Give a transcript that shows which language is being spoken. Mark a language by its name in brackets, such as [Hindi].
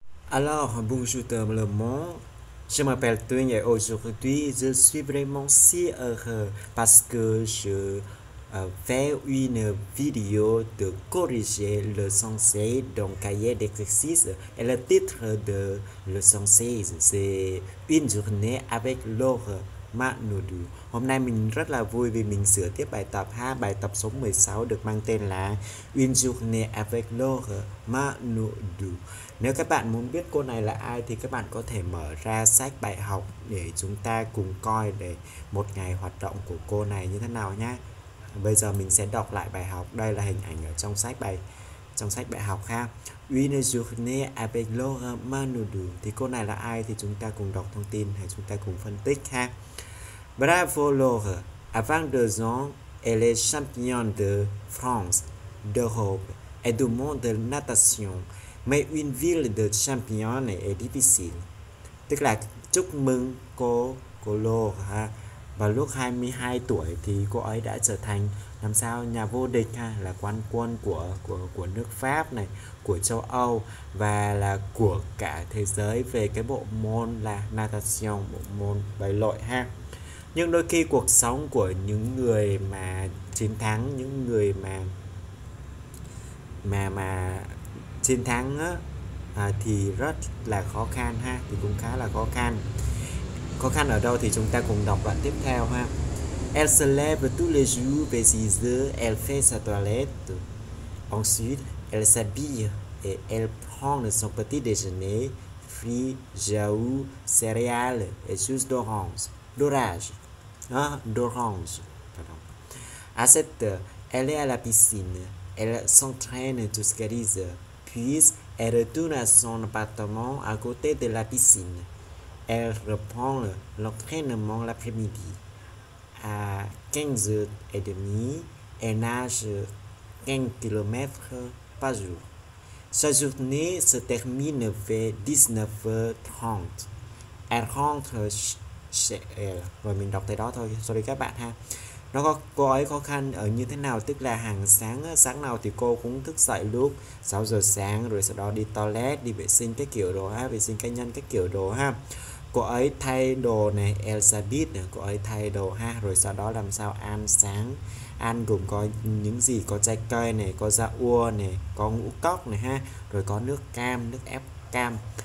[French] Alors, bonjour tout le monde. Je m'appelle Tony et aujourd'hui, je suis vraiment si heureux parce que je fais une vidéo de corriger le 116 dans le cahier d'exercice. Et le titre de le 116, c'est Une journée avec Laure Manoudou. [Vietnamese] Hôm nay, mình rất là vui vì mình sửa tiếp bài tập ha. Bài tập số 16 được mang tên là Une journée avec Laure Manoudou. Nếu các bạn muốn biết cô này là ai thì các bạn có thể mở ra sách bài học để chúng ta cùng coi để một ngày hoạt động của cô này như thế nào nhé. Bây giờ mình sẽ đọc lại bài học. Đây là hình ảnh ở trong sách bài học ha. Une journée avec Laure Manoudou. Thì cô này là ai thì chúng ta cùng đọc thông tin hay chúng ta cùng phân tích ha. [French] Bravo Laure, à 22 ans, elle est championne de France, d'Europe et du monde de natation. Mais une ville de champion est difficile. [Vietnamese] Tức là chúc mừng cô Lô ha. Vào lúc 22 tuổi thì cô ấy đã trở thành làm sao nhà vô địch ha, là quán quân của nước Pháp này, của châu Âu và là của cả thế giới về cái bộ môn là natation, bộ môn bơi lội ha. Nhưng đôi khi cuộc sống của những người mà chiến thắng, những người mà chiến thắng á, thì rất là khó khăn ha, thì cũng khá là khó khăn. Khó khăn ở đâu thì chúng ta cùng đọc đoạn tiếp theo ha. [French] Elle se lève tous les jours vers 6 giờ, elle fait sa toilette. Ensuite, elle s'habille et elle prend son petit déjeuner, fruits, jus, céréales et jus d'orange. D'orange. Ah, d'orange. À 7 heures, elle est à la piscine. Elle s'entraîne jusqu'à 10 heures. Puis elle retourne à son appartement à côté de la piscine. Elle reprend l'entraînement l'après-midi. À 15h30, elle nage 5 km par jour. Sa journée se termine vers 19h30. Elle rentre chez elle. [Vietnamese] Rồi mình đọc tới đó thôi. Sorry các bạn ha. Nó có cô ấy khó khăn ở như thế nào, tức là hàng sáng sáng nào thì cô cũng thức dậy lúc 6 giờ sáng rồi sau đó đi toilet, đi vệ sinh cái kiểu đồ ha, vệ sinh cá nhân cái kiểu đồ ha. Cô ấy thay đồ này, Elizabeth này, cô ấy thay đồ ha, rồi sau đó làm sao ăn sáng, ăn gồm có những gì, có trái cây này, có da ua này, có ngũ cốc này ha, rồi có nước cam, nước ép cam.